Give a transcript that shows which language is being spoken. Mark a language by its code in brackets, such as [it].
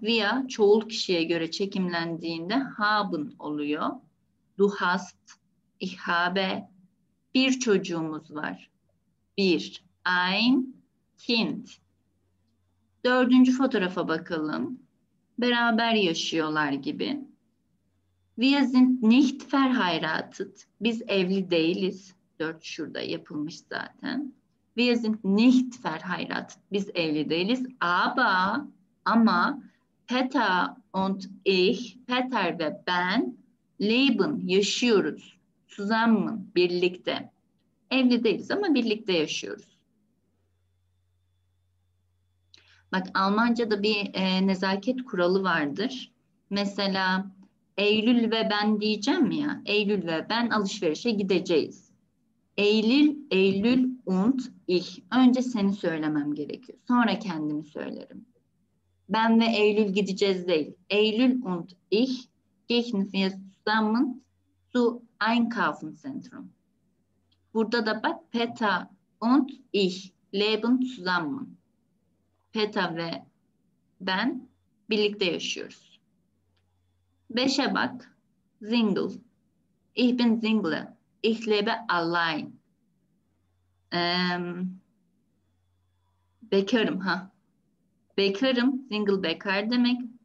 [tr] Wir çoğul kişiye göre çekimlendiğinde haben oluyor. [de] Du hast, ich habe. [tr] Bir çocuğumuz var. Bir. [de] Ein Kind. [tr] Dördüncü fotoğrafa bakalım. Beraber yaşıyorlar gibi. [de] Wir sind nicht verheiratet. [tr] Biz evli değiliz. Dört şurada yapılmış zaten. [de] Wir sind nicht verheiratet. [tr] Biz evli değiliz. Ama Peter und ich, Peter ve ben leben, yaşıyoruz. Zusammen, birlikte. Evli değiliz ama birlikte yaşıyoruz. Bak Almanca'da bir nezaket kuralı vardır. Mesela Eylül ve ben diyeceğim ya. Eylül ve ben alışverişe gideceğiz. Eylül und ich. Önce seni söylemem gerekiyor. Sonra kendimi söylerim. Ben ve Eylül gideceğiz değil. [de] Eylül und ich gehen wir zusammen zu Einkaufszentrum. [tr] Burada da bak [de] Peter und ich leben zusammen. [tr] Peter ve ben birlikte yaşıyoruz. Beşe bak. [de] Single. Ich bin single. Ich lebe allein. [tr] Bekarım ha. Bekarım, single bekar demek.